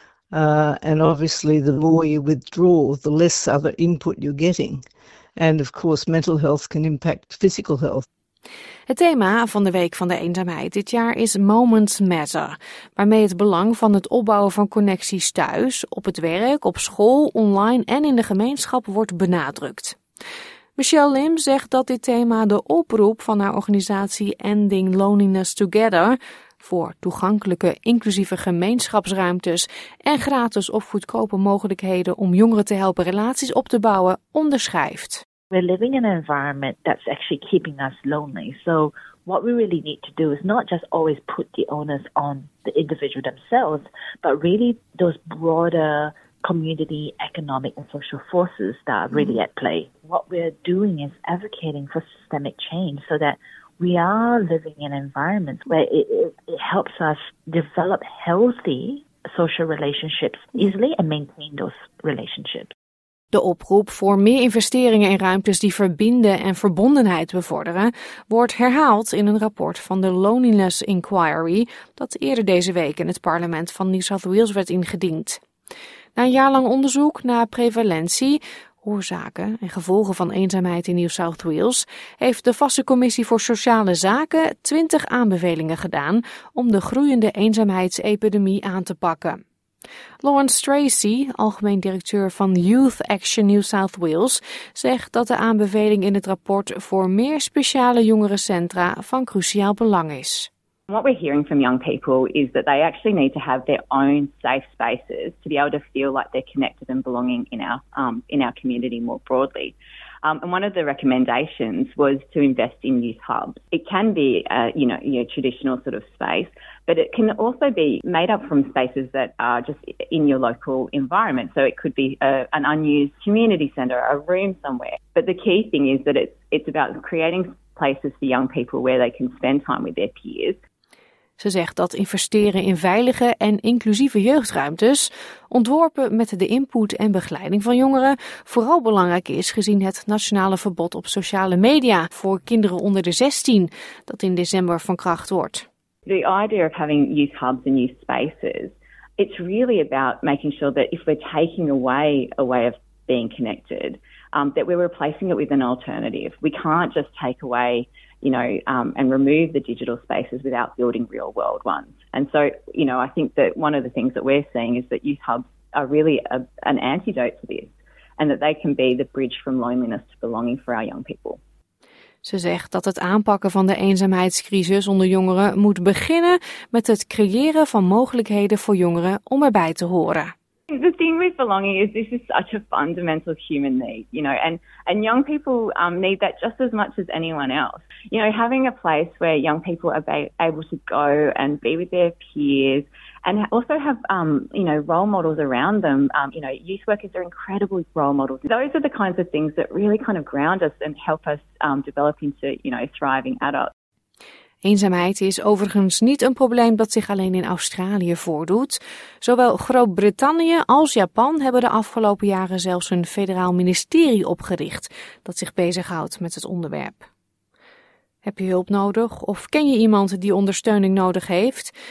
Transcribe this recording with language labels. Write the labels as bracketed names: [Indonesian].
[English] And obviously, the more you withdraw, the less other input you're getting. And of course, mental health can impact physical health. [Dutch] Het thema van de Week van de Eenzaamheid dit jaar is Moments Matter, waarmee het belang van het opbouwen van connecties thuis, op het werk, op school, online en in de gemeenschap wordt benadrukt. Michelle Lim zegt dat dit thema de oproep van haar organisatie Ending Loneliness Together voor toegankelijke, inclusieve gemeenschapsruimtes en gratis of goedkope mogelijkheden om jongeren te helpen relaties op te bouwen, onderschrijft. [English] We're living in an environment that's actually keeping us lonely. So what we really need to do is not just always put the onus on the individual themselves, but really those broader community, economic and social forces that are really at play. What we're doing is advocating for systemic change so that we are living in an environment where it helps us develop healthy social relationships easily and maintain those relationships. [Dutch] De oproep voor meer investeringen in ruimtes die verbinden en verbondenheid bevorderen wordt herhaald in een rapport van de Loneliness Inquiry dat eerder deze week in het parlement van New South Wales werd ingediend. Na een jaar lang onderzoek naar prevalentie, oorzaken en gevolgen van eenzaamheid in New South Wales heeft de vaste commissie voor sociale zaken 20 aanbevelingen gedaan om de groeiende eenzaamheidsepidemie aan te pakken. Lawrence Tracy, algemeen directeur van Youth Action New South Wales, zegt dat de aanbeveling in het rapport voor meer speciale jongerencentra van cruciaal belang is. [English] What we're hearing from young people is that they actually need to have their own safe spaces to be able to feel like they're connected and belonging in our community more broadly. And one of the recommendations was to invest in youth hubs. It can be a traditional sort of space, but it can also be made up from spaces that are just in your local environment. So it could be an unused community centre, a room somewhere. But the key thing is that it's about creating places for young people where they can spend time with their peers. [Dutch] Ze zegt dat investeren in veilige en inclusieve jeugdruimtes, ontworpen met de input en begeleiding van jongeren, vooral belangrijk is gezien het nationale verbod op sociale media voor kinderen onder de 16, dat in december van kracht wordt. [English] The idea of having youth hubs and youth spaces, it's really about making sure that if we're taking away a way of being connected, that we're replacing it with an alternative. We can't just take away, and remove the digital spaces without building real world ones. And so, I think that one of the things that we're seeing is that youth hubs are really an antidote to this, and that they can be the bridge from loneliness to belonging for our young people. [Dutch] Ze zegt dat het aanpakken van de eenzaamheidscrisis onder jongeren moet beginnen met het creëren van mogelijkheden voor jongeren om erbij te horen. [English] The thing with belonging is this is such a fundamental human need, and young people need that just as much as anyone else. Having a place where young people are able to go and be with their peers and also have, role models around them. Youth workers are incredible role models. Those are the kinds of things that really kind of ground us and help us develop into, thriving adults. [Dutch] Eenzaamheid is overigens niet een probleem dat zich alleen in Australië voordoet. Zowel Groot-Brittannië als Japan hebben de afgelopen jaren zelfs een federaal ministerie opgericht dat zich bezighoudt met het onderwerp. Heb je hulp nodig of ken je iemand die ondersteuning nodig heeft?